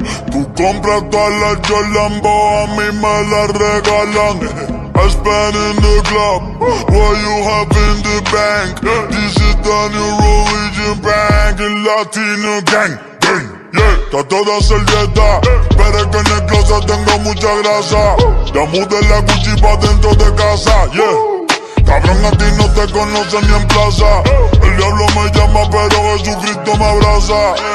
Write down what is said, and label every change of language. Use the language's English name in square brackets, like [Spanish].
[Spanish] Tú compras todas las Yolambo, a mí me las regalan. [English] I spend in the club, what you have in the bank? This is the new religion bank, [Spanish] el latino [English] gang, gang, yeah. [Spanish] Está toda servieta, pero es que en el closet tengo mucha grasa. Ya mudé la Gucci pa' dentro de casa, yeah. Cabrón, a ti no te conocen ni en plaza. El diablo me llama, pero Jesucristo me abraza.